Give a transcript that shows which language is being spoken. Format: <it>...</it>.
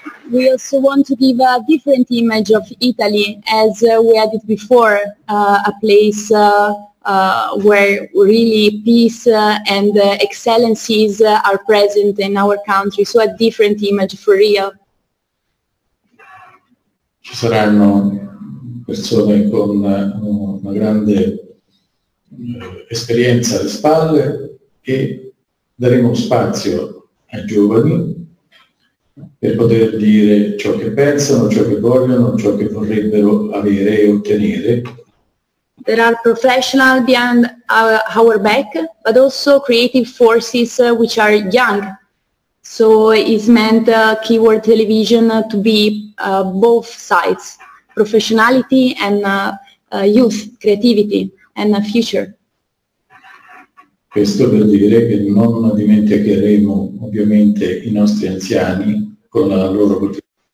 <en>We also want to give a different image of Italy as we had it before, a place where really peace and excellencies are present in our country, so a different image for real.</en> <it>Ci saranno persone con una grande esperienza alle spalle e daremo spazio ai giovani per poter dire ciò che pensano, ciò che vogliono, ciò che vorrebbero avere e ottenere.</it> <en>There are professionals behind our back, but also creative forces which are young. So it's meant Keyword Television to be both sides, professionality and youth, creativity and future.</en> <it>Questo per dire che non dimenticheremo ovviamente i nostri anziani con la loro cultura.</it>